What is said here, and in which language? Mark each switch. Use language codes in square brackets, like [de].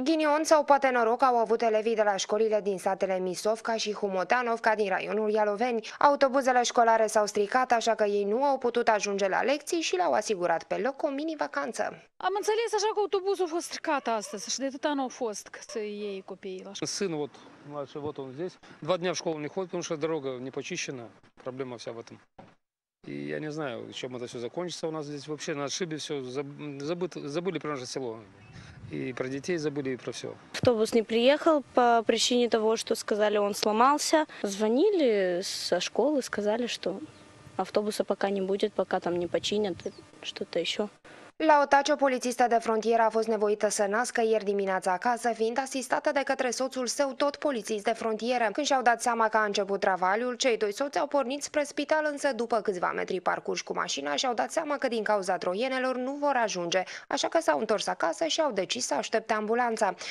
[ro] Ghinion sau poate noroc au avut elevii de la școlile din satele Misovca și Humotanovca din raionul Ialoveni. Autobuzele școlare s-au stricat, așa că ei nu au putut ajunge la lecții și le-au asigurat pe loc o mini-vacanță. Am înțeles așa că autobuzul a fost stricat astăzi și de atâta nu au fost că să iei copiii la școală. Sânul, [ru] вот, младший, вот он здесь. Два дня в школу не ходит, потому что дорога не почищена. Проблема вся в этом. И я не знаю, чем это все закончится у нас здесь. Вообще на отшибе все забыли про наше село. И про детей забыли, и про все. Автобус не приехал по причине того, что сказали, он сломался. Звонили со школы, сказали, что автобуса пока не будет, пока там не починят что-то еще. [ro] La Otaci, o polițistă de frontieră a fost nevoită să nască ieri dimineața acasă, fiind asistată de către soțul său, tot polițist de frontieră. Când și-au dat seama că a început travaliul, cei doi soți au pornit spre spital, însă după câțiva metri parcurși cu mașina și-au dat seama că din cauza troienelor nu vor ajunge, așa că s-au întors acasă și au decis să aștepte ambulanța.